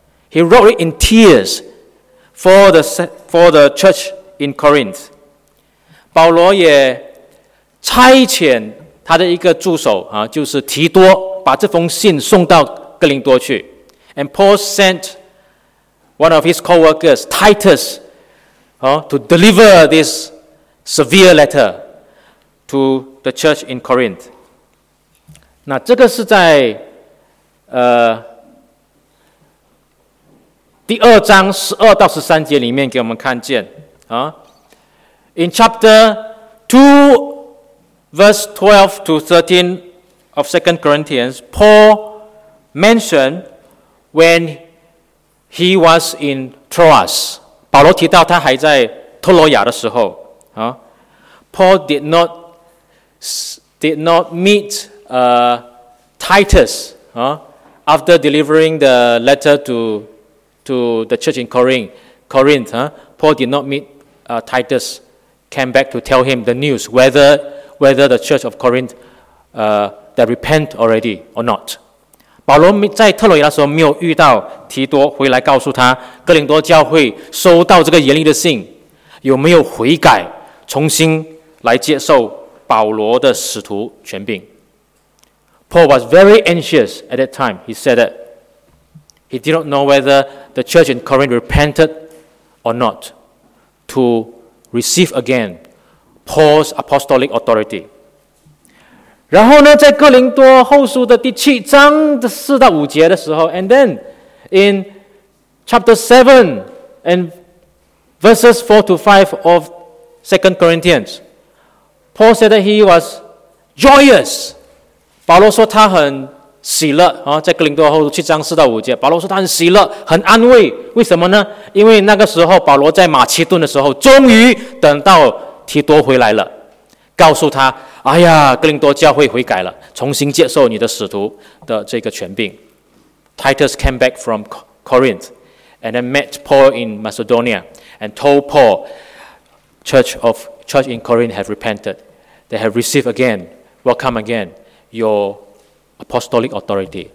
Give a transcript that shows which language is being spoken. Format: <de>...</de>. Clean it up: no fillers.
<en>He wrote it in tears for the church in Corinth.</en> <zh>保罗也差遣他的一个助手，就是提多，把这封信送到哥林多去。</zh> <en>And Paul sent one of his co-workers, Titus, to deliver this severe letter to the church in Corinth.</en> <zh>那这个是在第二章十二到十三节里面给我们看见。</zh> <en>In chapter 2, verse 12 to 13 of 2 Corinthians, Paul mentioned when he was in Troas.</en> <zh>保罗提到他还在特罗亚的时候。</zh> <en>Paul did not meet Titus after delivering the letter to the church in Corinth. Paul did not meet Titus, came back to tell him the news, whether the church of Corinth they repent already or not.</en> <zh>保罗在特罗亚的时候没有遇到提多回来告诉他哥林多教会收到这个严厉的信有没有悔改重新来接受保罗的使徒权柄。</zh> <en>Paul was very anxious at that time. He said that he did not know whether the church in Corinth repented or not to receive again Paul's apostolic authority.</en> <zh>然后呢，在哥林多后书的第七章的四到五节的时候，</zh> <en>and then in chapter 7 and verses 4 to 5 of 2 Corinthians, Paul said that he was joyous.</en> <zh>保罗说他很喜乐，在哥林多后书七章四到五节，保罗说他很喜乐，很安慰。为什么呢？因为那个时候保罗在马其顿的时候，终于等到提多回来了，告诉他，哎呀，哥林多教会悔改了，重新接受你的使徒的这个权柄。</zh> <en>Titus came back from Corinth and then met Paul in Macedonia and told Paul, church in Corinth have repented. They have received again, welcome again, your apostolic authority.</en>